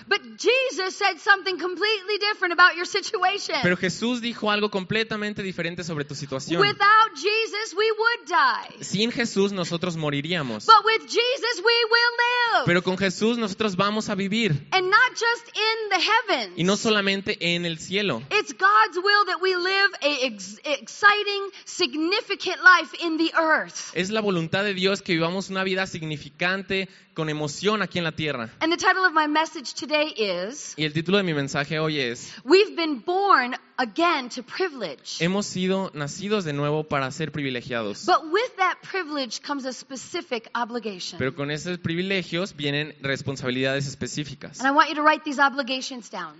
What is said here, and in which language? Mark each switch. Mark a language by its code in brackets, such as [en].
[en] But Jesus said something completely different about your situation. [es] Pero Jesús dijo algo completamente diferente sobre tu situación. [en] Without Jesus, we would die. [es] Sin Jesús, nosotros moriríamos. [en] But with Jesus, we will live. [es] Pero con Jesús, nosotros vamos a vivir. [en] And not just in the heavens. [es] Y no solamente en el cielo. [en] It's God's will that we live an exciting, significant life in the earth. [es] Es la voluntad de Dios que vivamos una vida significante con emoción aquí en la tierra. [en] And the title of my message today is. [es] Y el título de mi mensaje hoy es. [en] We've been born again to privilege. [es] Hemos sido nacidos de nuevo para ser privilegiados. [en] But with that privilege comes a specific obligation. [es] Pero con esos privilegios vienen responsabilidades específicas. [en] And I want you to write these obligations down.